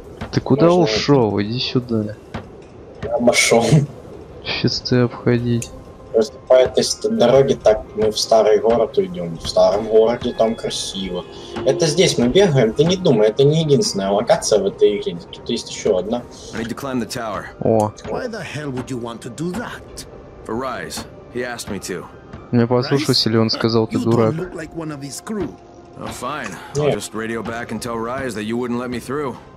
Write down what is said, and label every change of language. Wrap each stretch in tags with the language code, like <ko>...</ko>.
<ru>Ты куда можно ушел? Это? Иди сюда. Я обошел. Сейчас ты обходить. Просто по этой дороге так мы в старый город уйдем. В старом городе там красиво. Это здесь мы бегаем, ты не думай, это не единственная локация в этой игре. Тут есть еще одна.</ru> <en>I need to climb the tower. О. Why the hell would you want to do that? For Rise. He asked me to.</en> <ru>Не послушался ли он, сказал, ты дурак.</ru> <en>You don't look like one of his crew. Oh, fine. Yeah. I'll just radio back and tell Rise that you wouldn't let me through.</en>